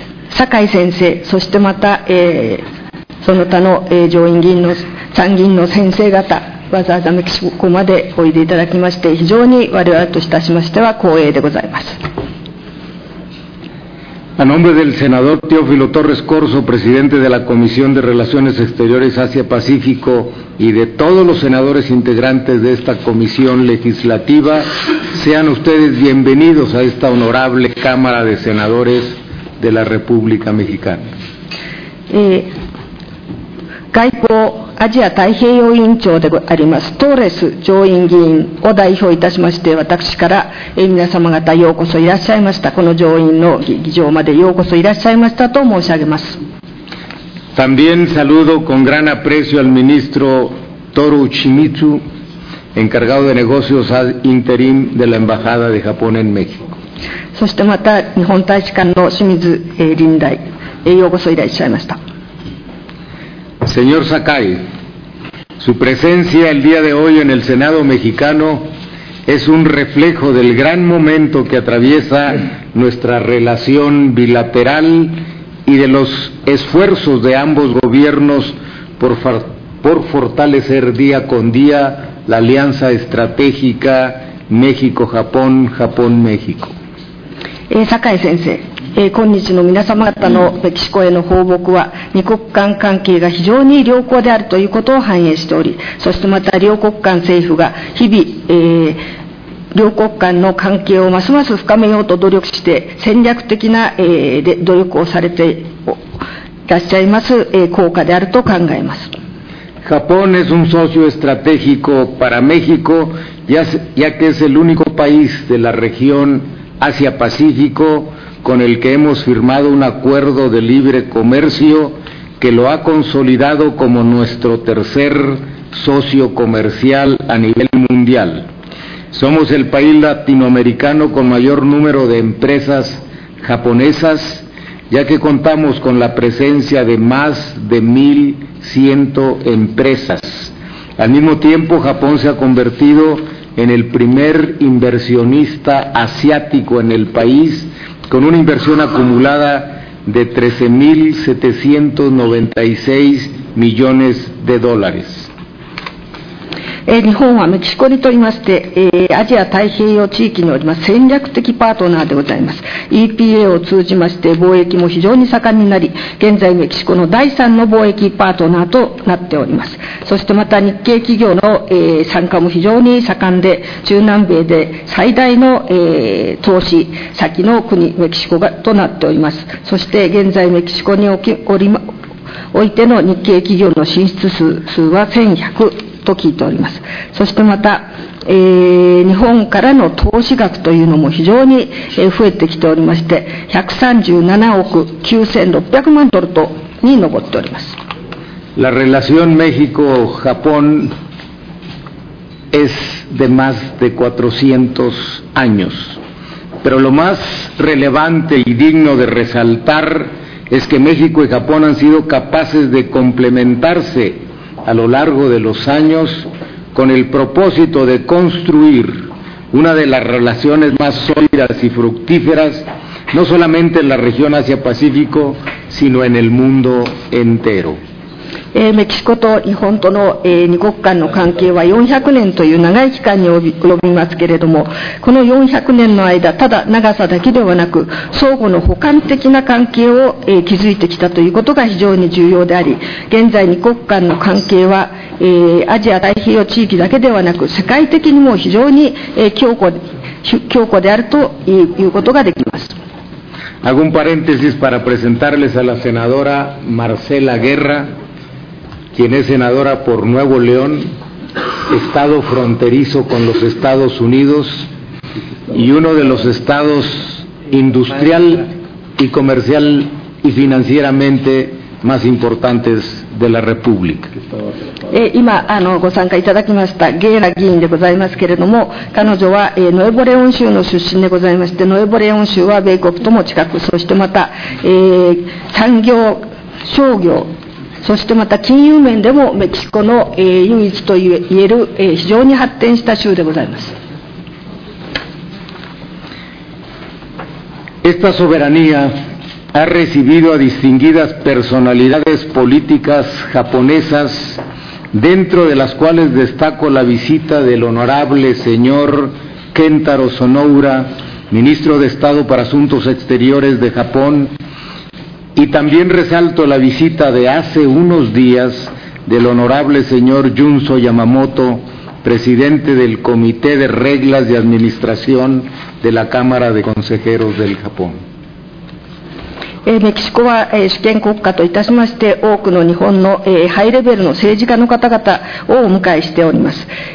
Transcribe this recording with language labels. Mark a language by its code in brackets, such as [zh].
[ja] Sakai-sensei, そしてまた、その他の、上院議員の参議院の先生方、わざわざメキシコまでおいでいただきまして、非常に我々としたしましては光栄でございます。 [es] A nombre del senador Teófilo Torres Corzo, presidente de la Comisión de Relaciones Exteriores Asia-Pacífico, y de todos los senadores integrantes de esta comisión legislativa, sean ustedes bienvenidos a esta honorable Cámara de Senadores de la República Mexicana. [ja] 外交アジア太平洋委員長でありますトーレス上院議員を代表いたしまして、私から皆様方ようこそいらっしゃいました、この上院の議場までようこそいらっしゃいましたと申し上げます。 [es] También saludo con gran aprecio al ministro Toru Shimizu, encargado de negocios ad interim de la embajada de Japón en México. [ja] そしてまた日本大使館の清水林大、ようこそいらっしゃいました。 [es] Señor Sakai, su presencia el día de hoy en el Senado mexicano es un reflejo del gran momento que atraviesa nuestra relación bilateral y de los esfuerzos de ambos gobiernos por fortalecer día con día la alianza estratégica México-Japón-Japón-México. [ja] Sakai-sensei. 今日の皆様方のメキシコへの訪問は、二国間関係が非常に良好であるということを反映しており、そしてまた両国間政府が日々、両国間の関係をますます深めようと努力して、戦略的な、努力をされていらっしゃいます、効果であると考えます。 [es] Japón es un socio estratégico para México, ya que es el único país de la región Asia-Pacífico. Con el que hemos firmado un acuerdo de libre comercio que lo ha consolidado como nuestro tercer socio comercial a nivel mundial. Somos el país latinoamericano con mayor número de empresas japonesas, ya que contamos con la presencia de más de 1100 empresas. Al mismo tiempo, Japón se ha convertido en el primer inversionista asiático en el país. Con una inversión acumulada de 13.796 millones de dólares. [ja] 日本はメキシコにとりまして、アジア太平洋地域における戦略的パートナーでございます。 EPA を通じまして貿易も非常に盛んになり、現在メキシコの第三の貿易パートナーとなっております。そしてまた日系企業の、参加も非常に盛んで、中南米で最大の、投資先の国メキシコがとなっております。そして現在メキシコにおいての日系企業の進出数は1100と聞いております。そしてまた、日本からの投資額というのも非常に増えてきておりまして、137億9600万ドルとに上っております。 [es] La relación México-Japón es de más de 400 años, pero lo más relevante y digno de resaltar es que México y Japón han sido capaces de complementarse a lo largo de los años con el propósito de construir una de las relaciones más sólidas y fructíferas, no solamente en la región Asia-Pacífico, sino en el mundo entero. [ja] メキシコと日本との二国間の関係は400年という長い期間に及びますけれども、この400年の間、ただ長さだけではなく相互の補完的な関係を築いてきたということが非常に重要であり、現在二国間の関係はアジア太平洋地域だけではなく世界的にも非常に強固であるということができます。 [es] Hago un paréntesis para presentarles a la senadora Marcela Guerra, quien es senadora por Nuevo León, estado fronterizo con los Estados Unidos y uno de los estados industrial y comercial y financieramente más importantes de la República. [ja] 今ご参加いただきましたゲーラ議員でございますけれども、彼女は、ノエボレオン州の出身でございまして、ノエボレオン州は米国とも近く、そしてまた、産業、商業、そしてまた金融面でもメキシコの唯一といえる非常に発展した州でございます。 [es] Esta soberanía ha recibido a distinguidas personalidades políticas japonesas, dentro de las cuales destaco la visita del honorable señor Kentaro Sonoura, ministro de Estado para Asuntos Exteriores de Japón, y también resalto la visita de hace unos días del honorable señor Junso Yamamoto, presidente del Comité de Reglas de Administración de la Cámara de Consejeros del Japón. [ja] メキシコは主権国家といたしまして、多くの日本のハイレベルの政治家の方々をお迎えしております。